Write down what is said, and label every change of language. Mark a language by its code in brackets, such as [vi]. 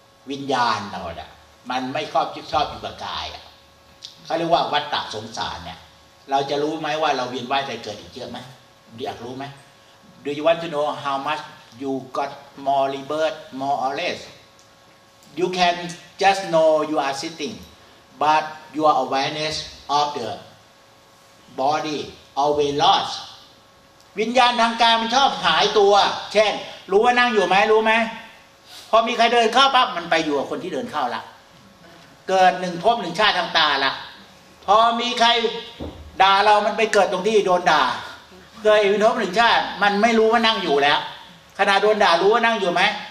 [th] วิญญาณเราอะมันไม่ชอบอยู่กับกายอะเขาเรียกว่าวัฏฏะสงสารเนี่ยเราจะรู้ไหมว่าเราเวียนว่ายตายเกิดอีกเยอะไหมอยากรู้ไหม [en] Do you want to know how much you got more rebirth more or less? You can just know you are sitting, but your awareness of the body always lost. [th] วิญญาณทางกายมันชอบหายตัวเช่นรู้ว่านั่งอยู่ไหมรู้ไหมพอมีใครเดินเข้าปั๊บมันไปอยู่กับคนที่เดินเข้าละเกิดหนึ่งพบหนึ่งชาติทางตาละพอมีใครด่าเรามันไปเกิดตรงที่โดนด่าเคยวิญญาณหนึ่งชาติมันไม่รู้ว่านั่งอยู่แล้วขณะโดนด่ารู้ว่านั่งอยู่ไหม